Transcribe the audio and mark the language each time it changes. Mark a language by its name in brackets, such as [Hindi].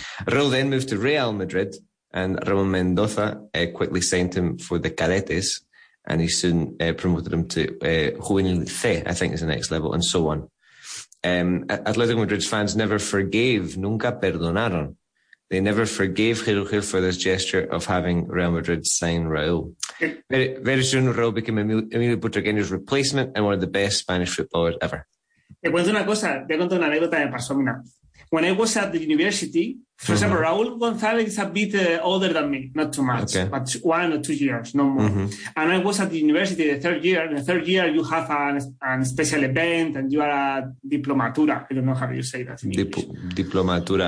[English] Raúl then moved to Real Madrid, and Ramón Mendoza quickly signed him for the Cadetes, and he soon promoted him to Juvenil C, I think is the next level, and so on. Atletico Madrid's fans never forgave, [Spanish] nunca perdonaron. [English] They never forgave Jirugil for this gesture of having Real Madrid sign Raúl. Very soon, Raúl became Emilio Butragueño's replacement and one of the best Spanish footballers ever. [Spanish] Te cuento una cosa, te cuento una anécdota que me pasó a mí. [English] When I was at the university, for mm-hmm. example, Raúl González is a bit older than me, not too much, okay. but 1 or 2 years, no more. Mm-hmm. And I was at the university the third year. In the third year, you have an special event and you are a diplomatura. I don't know how you say that. [Spanish] Diplomatura.